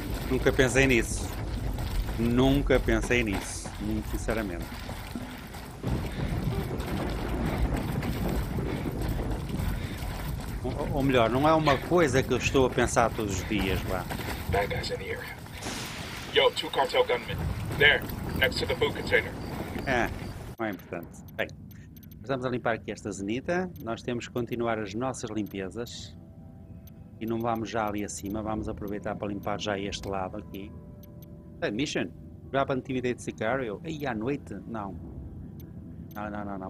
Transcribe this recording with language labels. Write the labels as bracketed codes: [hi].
[pt] Nunca pensei nisso. Nunca pensei nisso. Muito sinceramente. Ou melhor, não é uma coisa que eu estou a pensar todos os dias, vá. [en] Bad guys in the area. Yo, two cartel gunmen. There, next to the food container. [pt] É. Não é importante. Bem, estamos a limpar aqui esta zenita. Nós temos que continuar as nossas limpezas. E não vamos já ali acima. Vamos aproveitar para limpar já este lado aqui. [en] Hey, mission. Grab Intimidate Sicario. [pt] Aí à noite? Não. Não, não, não, não.